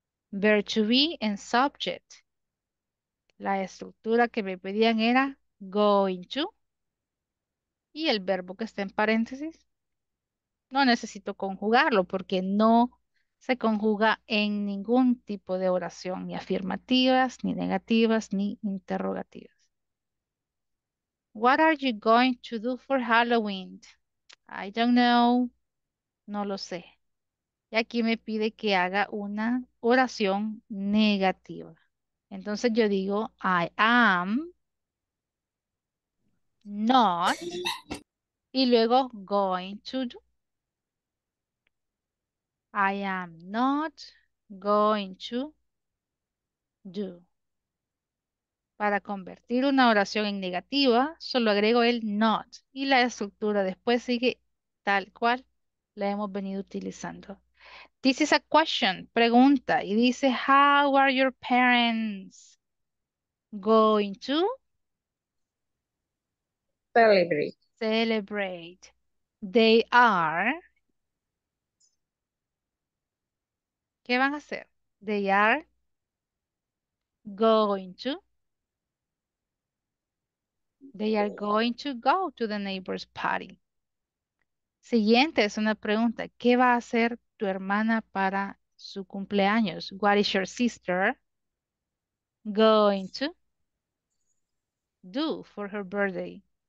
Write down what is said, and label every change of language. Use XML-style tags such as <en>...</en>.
<es>Verb to be en subject. La estructura que me pedían era going to. Y el verbo que está en paréntesis, no necesito conjugarlo porque no se conjuga en ningún tipo de oración, ni afirmativas, ni negativas, ni interrogativas.</es> <en>What are you going to do for Halloween? I don't know,</en> <es>no lo sé. Y aquí me pide que haga una oración negativa. Entonces yo digo,</es> <en>I am not,</en> <es>y luego</es> <en>going to do. I am not going to do.</en> <es>Para convertir una oración en negativa, solo agrego el not y la estructura después sigue tal cual la hemos venido utilizando.</es> <en>This is a question,</en> <es>pregunta, y dice,</es> <en>how are your parents going to? Celebrate. Celebrate. They are.</en> <es>¿Qué van a hacer?</es> <en>They are going to. They are going to go to the neighbor's party.</en> <es>Siguiente es una pregunta. ¿Qué va a hacer tu hermana para su cumpleaños?</es> <en>What is your sister going to do for her birthday?</en>